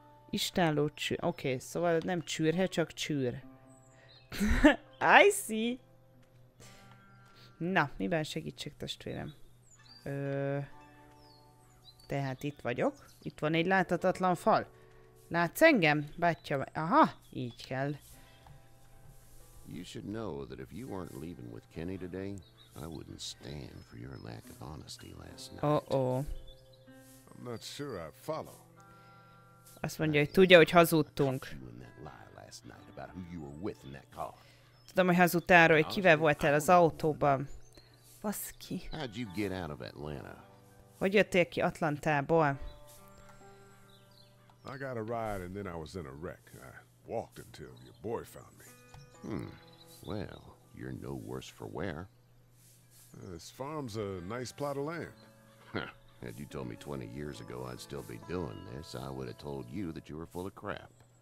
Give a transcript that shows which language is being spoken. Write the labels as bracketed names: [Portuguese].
[Hungarian] Istálló csűr. Oké, szóval nem csürhe, csak csűr. [English] I see! [Hungarian] Na, miben segítsek, testvérem? Tehát itt vagyok. Itt van egy láthatatlan fal. Látsz engem, bátya? Aha, így kell. [English] You should know that if you weren't leaving with Kenny today, I wouldn't stand for your lack of honesty last night. Oh. I'm not sure I follow. [Hungarian] Azt mondja, hogy tudja, hogy hazudtunk. Tudom, hogy hazudtál arról, hogy kivel voltál az autóban. Baszki. [English] How'd you get out of Atlanta? [Hungarian] Hogy jöttél ki Atlantából? [English] I got a ride and then I was in a wreck. I walked until your boy found me. Hmm. Well, you're no worse for wear. This farm's a nice plot of land. Had you told me 20 years ago I'd still be doing this, I would have told you that you were full of crap.